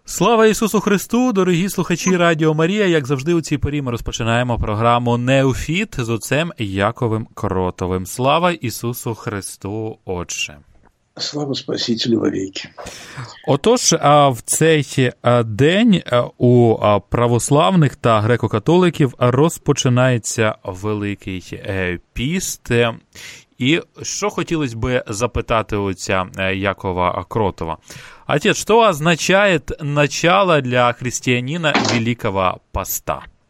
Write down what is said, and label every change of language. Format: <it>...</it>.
<uk>Слава Ісусу Христу, дорогі слухачі Радіо Марія. Як завжди у цій порі ми розпочинаємо програму «Неофіт» з отцем Яковим Кротовим. Слава Ісусу Христу, Отче!</uk> <ru>Слава Спасителю вовеки!</ru> <uk>Отож, в цей день у православних та греко-католиків розпочинається Великий піст. І що хотілося б запитати отця Якова Кротова?</uk> <ru>Отец,</ru> <uk>що означає начало для християнина Великого поста?</uk>